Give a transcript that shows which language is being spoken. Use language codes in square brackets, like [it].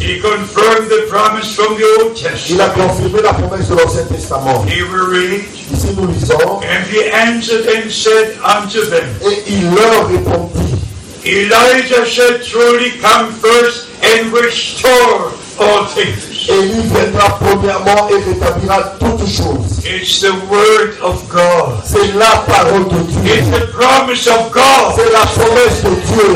[en] He confirmed the promise from the Old Testament. [fr] Il a confirmé la promesse de l'Ancien Testament. [en] He will read. [fr] Ici nous lisons. [en] And he answered and said unto them. [fr] Et il leur répondit. [en] Elijah shall truly come first and restore all things. [fr] Et lui viendra premièrement et rétablira toutes choses. [en] It's the word of God. [fr] C'est la parole de Dieu. [en] It's the promise of God. [fr] C'est la promesse de Dieu.